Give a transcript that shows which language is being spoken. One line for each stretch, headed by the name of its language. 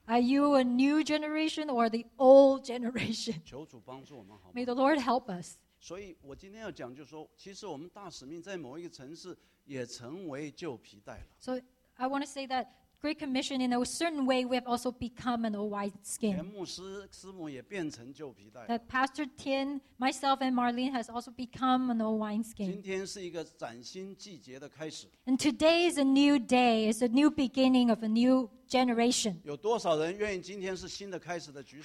English: Are you a new generation or the old generation?
Chinese: 求主帮助我们好吗？
English: May the Lord help us.
Chinese: 所以我今天要讲就是说， 其实我们大使命在某一个城市也成为旧皮带了。
English: So I want to say that Great Commission, in a certain way, we have also become an old wineskin.
Chinese: 连牧师师母也变成旧皮带。
English: That Pastor Tian, myself, and Marlene has also become an old wineskin.
Chinese: 今天是一个崭新季节的开始。
English: And today is a new day. It's a new beginning of a new generation.
Chinese: 有多少人愿意今天是新的开始的举手？